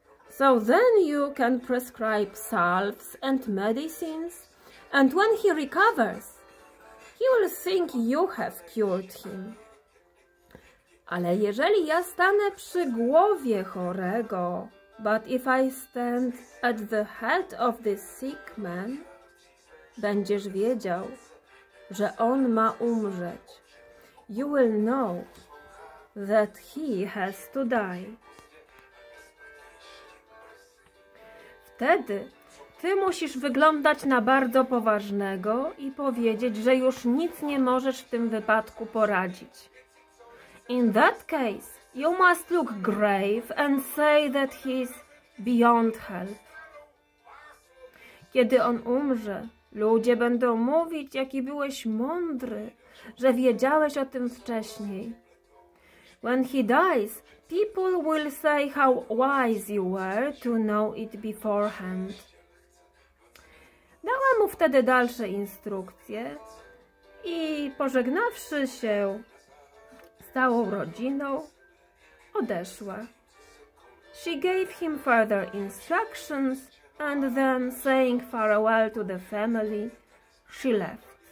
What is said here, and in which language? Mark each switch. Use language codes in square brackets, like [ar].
[en] So then you can prescribe salves and medicines, and when he recovers, he will think you have cured him. [pl] Ale jeżeli ja stanę przy głowie chorego, [en] but if I stand at the head of the sick man, [pl] będziesz wiedział, że on ma umrzeć. [en] You will know that he has to die. [pl] Wtedy ty musisz wyglądać na bardzo poważnego i powiedzieć, że już nic nie możesz w tym wypadku poradzić. [en] In that case, you must look grave and say that he's beyond help. [pl] Kiedy on umrze, ludzie będą mówić, jaki byłeś mądry, że wiedziałeś o tym wcześniej. [en] When he dies, people will say how wise you were to know it beforehand. [pl] Dała mu wtedy dalsze instrukcje i pożegnawszy się z całą rodziną, odeszła. [en] She gave him further instructions and then, saying farewell to the family, she left.